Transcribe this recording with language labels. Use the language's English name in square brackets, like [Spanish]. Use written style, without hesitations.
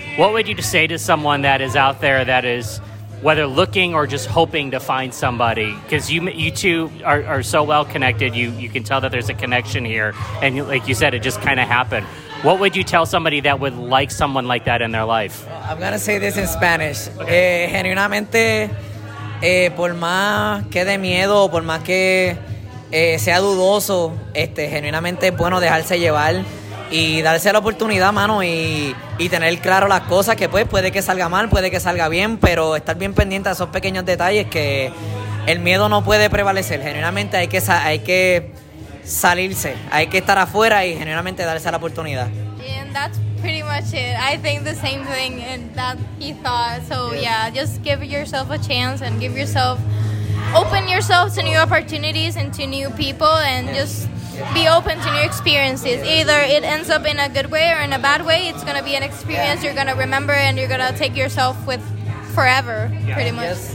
[English] What would you say to someone that is out there that is whether looking or just hoping to find somebody? Because you two are so well connected, you can tell that there's a connection here, and like you said, it just kind of happened. What would you tell somebody that would like someone like that in their life? Well, I'm gonna say this in Spanish. Okay. [Spanish] Genuinamente. Por más que de miedo o por más que sea dudoso, genuinamente es bueno dejarse llevar y darse la oportunidad, mano, y tener claro las cosas, que pues puede que salga mal, puede que salga bien, pero estar bien pendiente a esos pequeños detalles, que el miedo no puede prevalecer. Genuinamente hay que salirse, hay que estar afuera y genuinamente darse la oportunidad. [English] Pretty much it. I think the same thing and that he thought. So yeah, just give yourself a chance and give yourself, open yourself to new opportunities and to new people and just be open to new experiences. Either it ends up in a good way or in a bad way, it's going to be an experience you're going to remember and you're going to take yourself with forever, pretty much.